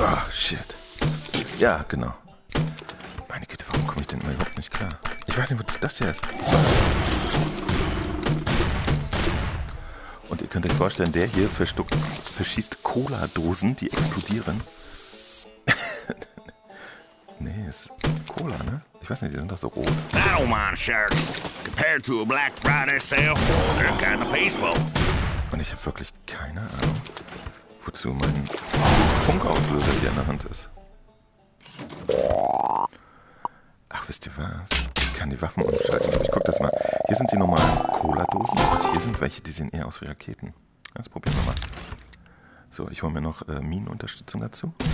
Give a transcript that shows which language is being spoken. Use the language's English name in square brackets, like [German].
[German] Shit. Ja, genau. Meine Güte, warum komme ich denn immer überhaupt nicht klar? Ich weiß nicht, was das hier ist. Und ihr könnt euch vorstellen, der hier verschießt Cola-Dosen, die explodieren. Nee, ist Cola, ne? Ich weiß nicht, die sind doch so rot. [English] I don't mind, Shark. Compared to a Black Friday sale, they're kind of peaceful. [German] Und ich habe wirklich keine Ahnung, wozu mein Funkauslöser hier in der Hand ist. Ach, wisst ihr was? Ich kann die Waffen umschalten. Ich guck das mal. Hier sind die normalen Cola-Dosen. Und hier sind welche, die sehen eher aus wie Raketen. Das probieren wir mal. So, ich hole mir noch Minenunterstützung dazu.